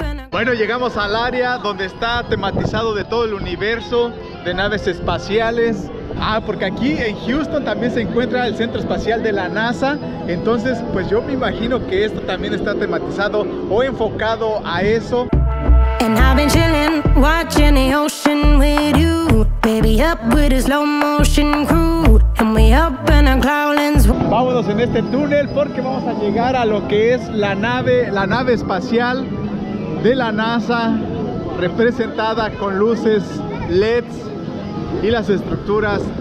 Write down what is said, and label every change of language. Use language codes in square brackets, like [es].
[es] Bueno, llegamos al área donde está tematizado de todo el universo, de naves espaciales. Porque aquí en Houston también se encuentra el Centro Espacial de la NASA. Entonces, pues yo me imagino que esto también está tematizado o enfocado a eso. [en] And I've been chillin', watching the ocean with you. Baby, up with a slow motion crew. And we up in a cloudlands. [es] Vámonos en este túnel porque vamos a llegar a lo que es la nave espacial de la NASA, representada con luces LEDs y las estructuras.